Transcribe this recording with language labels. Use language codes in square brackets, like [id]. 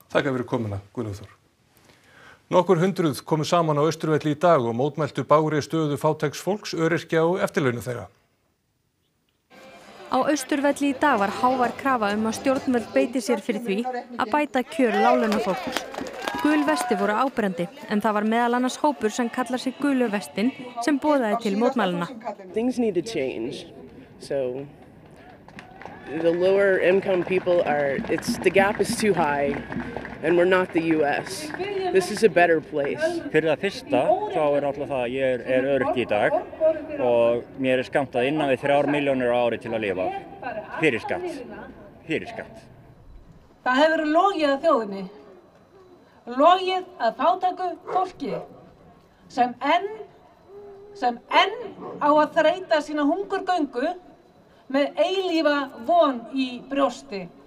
[is] Takk fyrir komuna, Guðlaugur Þór. Nokkur hundruð komu saman á Austurvelli í dag og mótmæltu bágri stöðu fátæks fólks, öryrkja og eftirlauna þeirra. Á Austurvelli í dag var hávær krafa að stjórnvöld beiti sér fyrir því að bæta kjör láglaunafólks. Gul vesti voru áberandi, en það var meðal annars hópur sem kallar sig gulu vestin sem boðaði til mótmælanna. [en] Things need to change. So the lower income people are the gap is too high and we're not the US. This is a better place. [is] Fyrir það fyrsta þá náttúrulega það að ég er öryrki í dag og mér skammtað innan við 3 milljónir á ári til að lifa. Fyrir skatt. Það hefur verið logið að þjóðinni. Logið að fátæku fólki sem enn á að þreyta sína hungurgöngu með eilífa von í brjósti.